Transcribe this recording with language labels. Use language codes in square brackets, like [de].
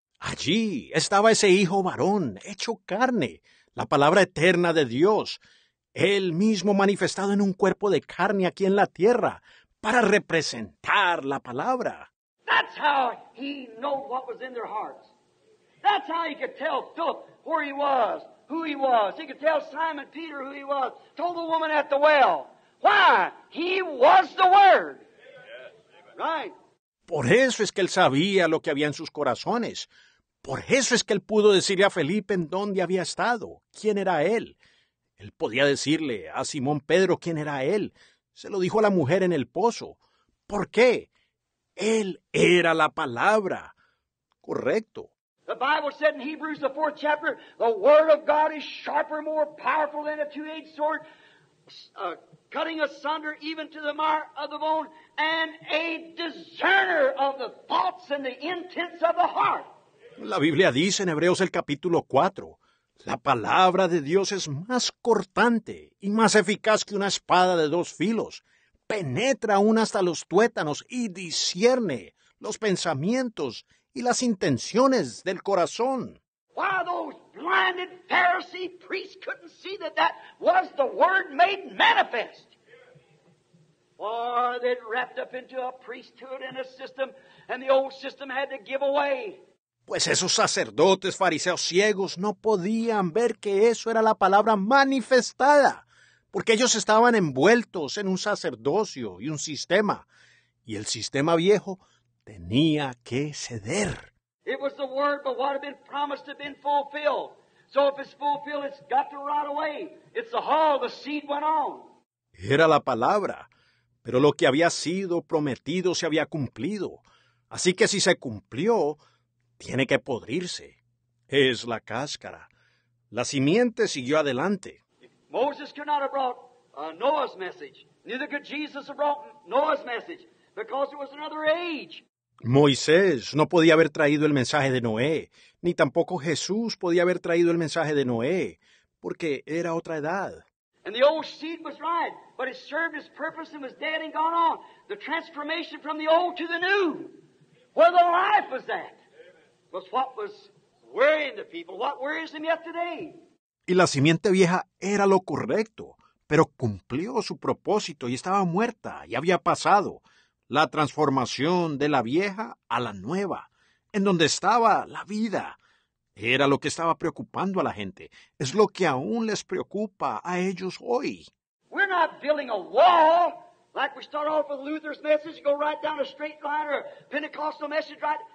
[es] Allí estaba ese hijo varón, hecho carne, la palabra eterna de Dios, él mismo manifestado en un cuerpo de carne aquí en la tierra, para representar la palabra. [en] That's how he knew what was in their hearts. That's how he could tell Philip where he was, who he was. He could tell Simon Peter who he was. Told the woman at the well. Why? He was the Word. Right? [es] Por eso es que él sabía lo que había en sus corazones. Por eso es que él pudo decirle a Felipe en dónde había estado. ¿Quién era él? Él podía decirle a Simón Pedro quién era él. Se lo dijo a la mujer en el pozo. ¿Por qué? Él era la palabra. Correcto. [en] The Bible said in Hebrews, the 4th chapter, the word of God is sharper, more powerful than a two-edged sword, cutting asunder even to the marrow of the bone, and a discerner of the thoughts and the intents of the heart. [es] La Biblia dice en Hebreos el capítulo 4, la palabra de Dios es más cortante y más eficaz que una espada de dos filos. Penetra aún hasta los tuétanos y discierne los pensamientos y las intenciones del corazón. [en] Why those blinded Pharisee priests couldn't see that that was the word made manifest. Or they'd wrapped up into a priesthood and a system, and the old system had to give away. [es] Pues esos sacerdotes fariseos ciegos no podían ver que eso era la palabra manifestada, porque ellos estaban envueltos en un sacerdocio y un sistema, y el sistema viejo tenía que ceder. [en] It was the word, but what had been promised had been fulfilled. So if it's fulfilled, it's got to rot away. It's the hull, the seed went on. [es] Era la palabra, pero lo que había sido prometido se había cumplido. Así que si se cumplió, tiene que podrirse. Es la cáscara. La simiente siguió adelante. [en] Moses could not have brought Noah's message. Neither could Jesus have brought Noah's message, because it was another age. [es] Moisés no podía haber traído el mensaje de Noé, ni tampoco Jesús podía haber traído el mensaje de Noé, porque era otra edad. [en] And the old seed was right, but it served its purpose and was dead and gone on. The transformation from the old to the new, where the life was at, was what was worrying the people, what worries them yet today. [es] Y la simiente vieja era lo correcto, pero cumplió su propósito y estaba muerta y había pasado. La transformación de la vieja a la nueva, en donde estaba la vida, era lo que estaba preocupando a la gente. Es lo que aún les preocupa a ellos hoy. [en] We're not building a wall like we start off with Luther's message, go right down a straight line or a Pentecostal message, right?